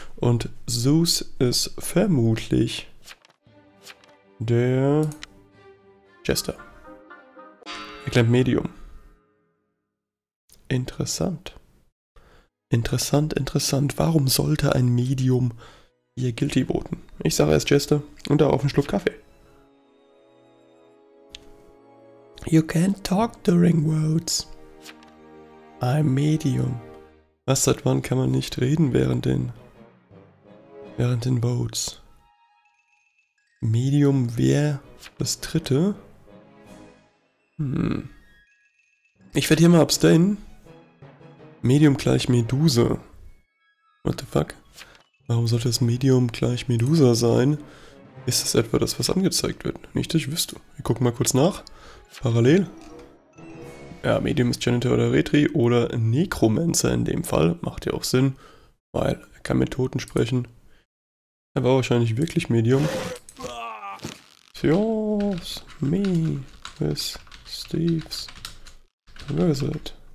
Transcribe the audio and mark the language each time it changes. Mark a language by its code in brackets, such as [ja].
[de] Und Zeus ist vermutlich der Jester. Er klemmt Medium. Interessant. Interessant, interessant. Warum sollte ein Medium hier Guilty voten? Ich sage erst Jester und darauf einen Schluck Kaffee. [en] You can't talk during votes. I'm medium. [de] Was, seit wann kann man nicht reden während den votes? Medium wäre das dritte. Ich werde hier mal abstain. Medium gleich Medusa. [en] What the fuck? [de] Warum sollte das Medium gleich Medusa sein? Ist das etwa das, was angezeigt wird? Nicht, dass ich wüsste. Wir gucken mal kurz nach. Parallel. Ja, Medium ist Janitor oder Retri oder Necromancer in dem Fall. Macht ja auch Sinn, weil er kann mit Toten sprechen. Er war wahrscheinlich wirklich Medium. [en] Yours, me, with Steve's Wizard.